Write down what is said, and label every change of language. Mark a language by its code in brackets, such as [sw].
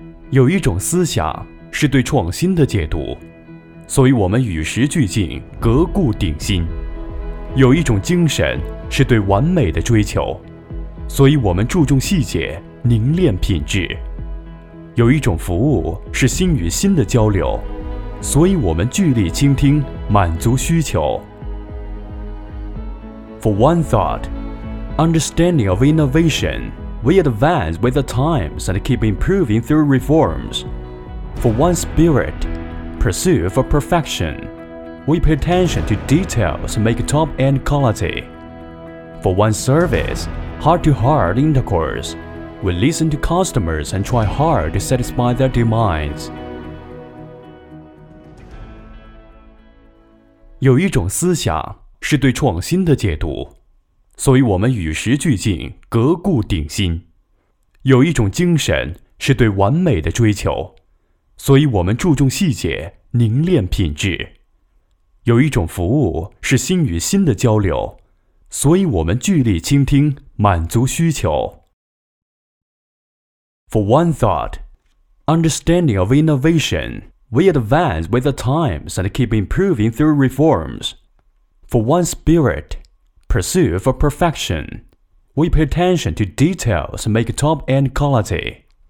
[zh] 有一种思想是对创新的解读，所以我们与时俱进，革故鼎新；有一种精神是对完美的追求，所以我们注重细节，凝练品质；有一种服务是心与心的交流，所以我们聚力倾听，满足需求。 [en] For one thought, understanding of innovation, we advance with the times and keep improving through reforms. For one spirit, pursue for perfection, we pay attention to details to make top-end quality. For one service, heart-to-heart intercourse, we listen to customers and try hard to satisfy their demands. [zh] 有一种思想是对创新的解读，所以我们与时俱进，革故鼎新；有一种精神是对完美的追求，所以我们注重细节，凝练品质；有一种服务是心与心的交流，所以我们聚力倾听，满足需求。 [en] For one thought, understanding of innovationWe advance with the times and keep improving through reforms. For one spirit, pursue for perfection. We pay attention to details to make top-end quality.